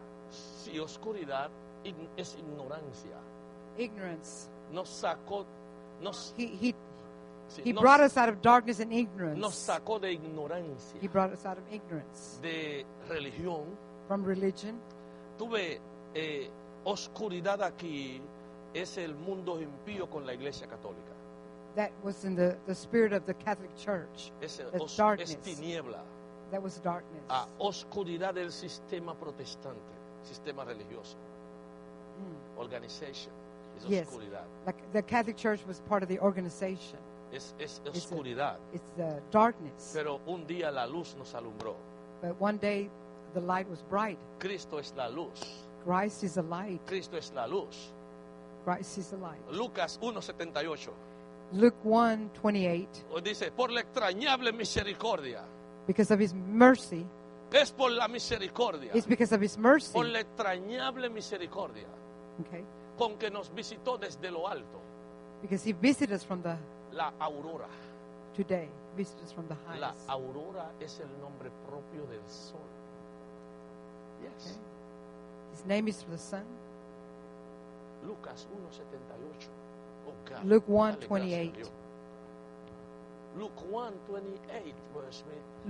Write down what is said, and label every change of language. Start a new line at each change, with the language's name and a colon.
Spanish: Si oscuridad es ignorancia.
English: Ignorance.
Spanish: Nos sacó.
English: He brought us out of darkness and ignorance.
Spanish: Nos sacó de ignorancia.
English: He brought us out of ignorance.
Spanish: De religión.
English: From religion.
Spanish: Tuve oscuridad aquí es el mundo impío con la Iglesia Católica.
English: That was in the spirit of the Catholic Church.
Spanish: Es tiniebla.
English: That was darkness.
Spanish: Oscuridad del sistema protestante, sistema religioso.
English: Organization. Yes.
Spanish: Oscuridad.
English: Like the Catholic Church was part of the organization.
Spanish: Es oscuridad.
English: It's the darkness.
Spanish: Pero un día la luz nos alumbró.
English: But one day the light was bright.
Spanish: Cristo es la luz.
English: Christ is the light.
Spanish: Cristo es la luz.
English: Christ is the light.
Spanish: Lucas 1:78.
English: Luke 1:28.
Spanish: Dice, por la extrañable misericordia.
English: Because of his mercy.
Spanish: Es por la misericordia.
English: It's because of his mercy.
Spanish: Por la extrañable misericordia.
English: Okay.
Spanish: Con que nos visitó desde lo alto.
English: Because he visited us from the
Spanish: la aurora.
English: Today, visited us from the highest.
Spanish: La aurora es el nombre propio del sol.
English: Okay. His name is for the sun.
Spanish: Lucas 1:78.
English: Oh God. Luke 1:28. Luke 1:28, verse me.